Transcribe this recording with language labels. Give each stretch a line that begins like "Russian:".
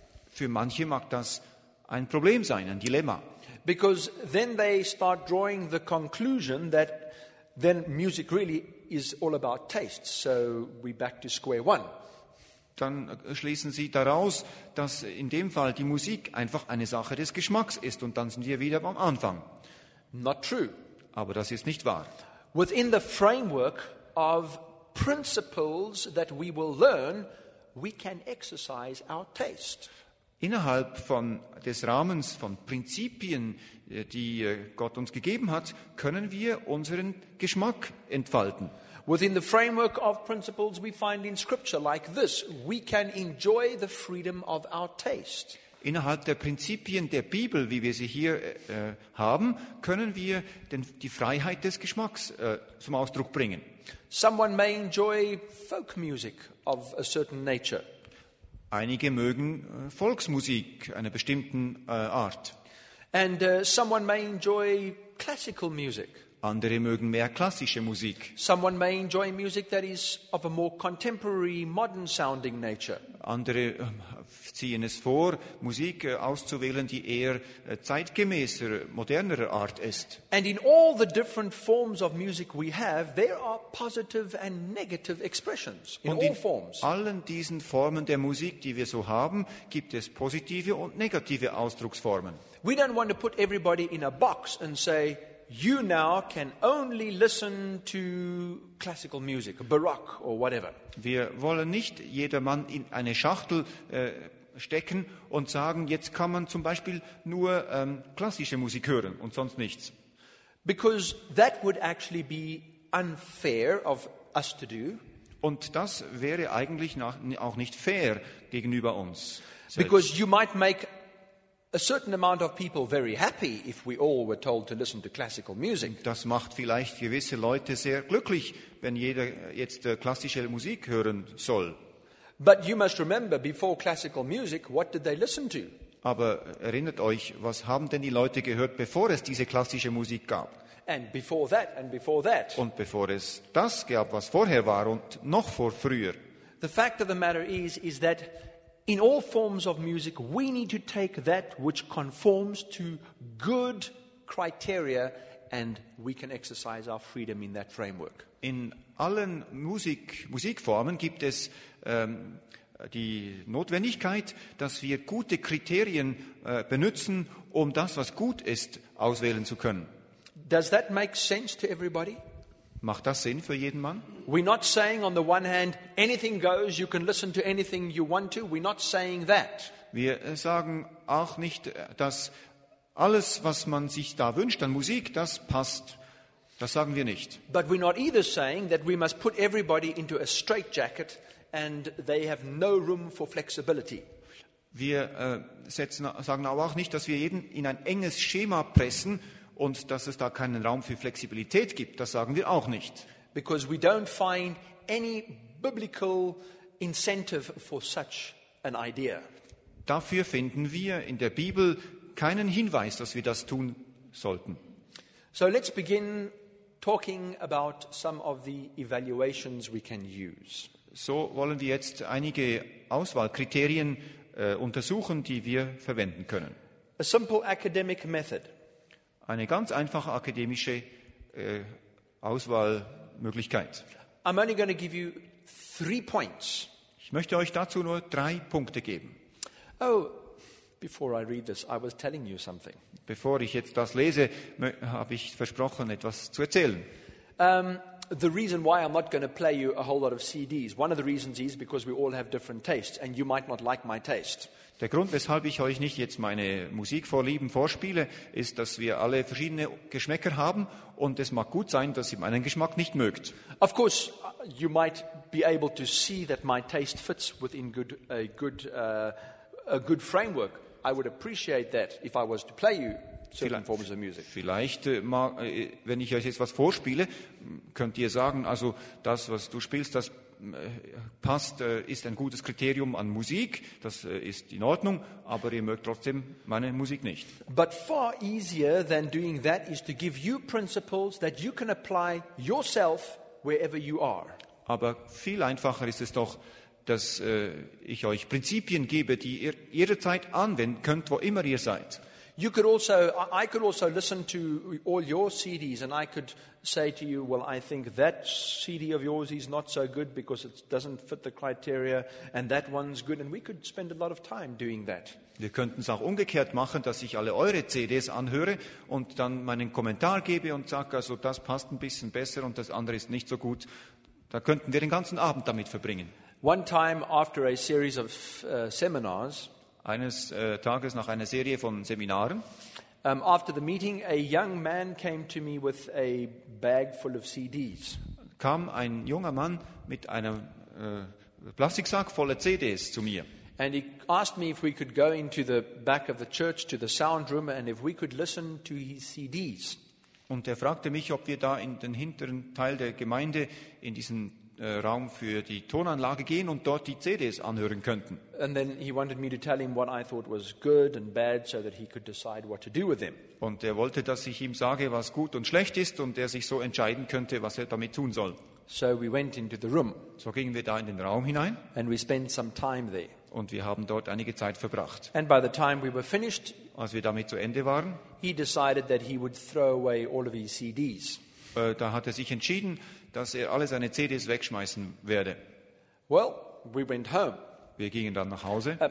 German: Für manche mag das ein Problem sein, ein Dilemma.
English: Because then they start drawing the conclusion that then music really is all about taste. So we're back to square one.
German: Dann schließen sie daraus, dass in dem Fall die Musik einfach eine Sache des Geschmacks ist und dann sind wir wieder am Anfang.
English: Not true.
German: Aber das ist nicht wahr.
English: Within the framework of principles that we will learn, we can exercise our taste.
German: Innerhalb von des Rahmens von Prinzipien, die Gott uns gegeben hat, können wir unseren Geschmack entfalten.
English: Within the framework of principles we find in scripture like this, we can enjoy the freedom of our taste.
German: Innerhalb der Prinzipien der Bibel, wie wir sie hier haben, können wir die Freiheit des Geschmacks zum Ausdruck bringen.
English: Someone may enjoy folk music of a certain nature.
German: Einige mögen Volksmusik einer bestimmten Art.
English: And someone may enjoy classical music.
German: Andere mögen mehr klassische Musik.
English: Someone may enjoy music that is of a more contemporary, modern sounding nature.
German: Andere ziehen es vor, Musik auszuwählen, die eher zeitgemäßer, modernere Art ist.
English: And in all the different forms of music we have, there are positive and negative expressions in all forms.
German: In allen diesen Formen der Musik, die wir so haben, gibt es positive und negative Ausdrucksformen.
English: We don't want to put everybody in a box and say, you now can only listen to classical music, baroque or whatever.
German: Wir wollen nicht jedermann in eine Schachtel stecken und sagen, jetzt kann man zum Beispiel nur klassische Musik hören und sonst nichts.
English: Because that would actually be unfair of us to do.
German: Und das wäre eigentlich auch nicht fair gegenüber uns. Selbst.
English: Because you might make a certain amount of people very happy if we all were told to listen to classical music.
German: Das macht vielleicht gewisse Leute sehr glücklich, wenn jeder jetzt klassische Musik hören soll.
English: But you must remember, before classical music, what did they listen to?
German: Aber erinnert euch, was haben denn die Leute gehört, bevor es diese klassische Musik gab?
English: And before that, and before that.
German: Und bevor es das gab, was vorher war und noch vor früher.
English: The fact of the matter is that in all forms of music, we need to take that which conforms to good criteria, and we can exercise our freedom in that framework.
German: In allen Musikformen gibt es die Notwendigkeit, dass wir gute Kriterien benutzen, um das, was gut ist, auswählen zu können.
English: Does that make sense to everybody?
German: Macht das Sinn für jeden Mann?
English: We're not saying on the one hand anything goes, you can listen to anything you want to. We're not saying that.
German: Wir sagen auch nicht, dass alles, was man sich da wünscht an Musik, das passt. Das sagen wir nicht.
English: But we're not either saying that we must put everybody into a straitjacket and they have no room for flexibility.
German: Wir sagen aber auch nicht, dass wir jeden in ein enges Schema pressen und dass es da keinen Raum für Flexibilität gibt. Das sagen wir auch nicht.
English: Because we don't find any biblical incentive for such an idea.
German: Dafür finden wir in der Bibel keinen Hinweis, dass wir das tun sollten.
English: So let's begin talking about some of the evaluations we can use.
German: So wollen wir jetzt einige Auswahlkriterien untersuchen, die wir verwenden können.
English: A simple academic method.
German: Eine ganz einfache akademische Auswahlmöglichkeit.
English: I'm only going to give you 3 points.
German: Ich möchte euch dazu nur 3 Punkte geben.
English: Oh, before I read this, I was telling you something.
German: Bevor ich jetzt das lese, habe ich versprochen, etwas zu erzählen.
English: the reason why I'm not going to play you a whole lot of CDs, one of the reasons is because we all have different tastes and you might not like my taste.
German: Der Grund, weshalb ich euch nicht jetzt meine Musikvorlieben vorspiele, ist, dass wir alle verschiedene Geschmäcker haben und es mag gut sein, dass ihr meinen Geschmack nicht mögt.
English: Of course, you might be able to see that my taste fits within a good framework. I would appreciate that if I was to play you certain forms of music.
German: Vielleicht, wenn ich euch jetzt was vorspiele, könnt ihr sagen, also das, was du spielst, das passt, ist ein gutes Kriterium an Musik, das ist in Ordnung, aber ihr mögt trotzdem meine Musik nicht.
English: But far easier than doing that is to give you principles that you can apply yourself wherever you are.
German: Aber viel einfacher ist es doch, dass ich euch Prinzipien gebe, die ihr jederzeit anwenden könnt, wo immer ihr seid.
English: You could also, I could also listen to all your CDs and I could say to you, well, I think that CD of yours is not so good because it doesn't fit the criteria and that one's good. And we could spend a lot of time doing that.
German: Wir könnten es auch umgekehrt machen, dass ich alle eure CDs anhöre und dann meinen Kommentar gebe und sage, also das passt ein bisschen besser und das andere ist nicht so gut. Da könnten wir den ganzen Abend damit verbringen.
English: One time after a series of seminars,
German: eines Tages nach einer Serie von Seminaren.
English: After the meeting, a young man came to me with a bag full of CDs.
German: Kam ein junger Mann mit einem Plastiksack voller CDs zu mir.
English: And he asked me if we could go into the back of the church to the sound room and if we could listen to his CDs.
German: Und er fragte mich, ob wir da in den hinteren Teil der Gemeinde in diesen Raum für die Tonanlage gehen und dort die CDs anhören könnten.
English: And then he wanted me to tell him what I thought was good and bad so that he could decide what to do with them.
German: Und er wollte, dass ich ihm sage, was gut und schlecht ist und er sich so entscheiden könnte, was er damit tun soll.
English: So we went into the room.
German: So gingen wir da in den Raum hinein.
English: And we spent some time there.
German: Und wir haben dort einige Zeit verbracht.
English: And by the time we were finished,
German: als wir damit zu Ende waren,
English: he decided that he would throw away all of his CDs.
German: Da hat er sich entschieden, dass er alle seine CDs wegschmeißen werde.
English: Well, we went home.
German: Wir gingen dann nach Hause.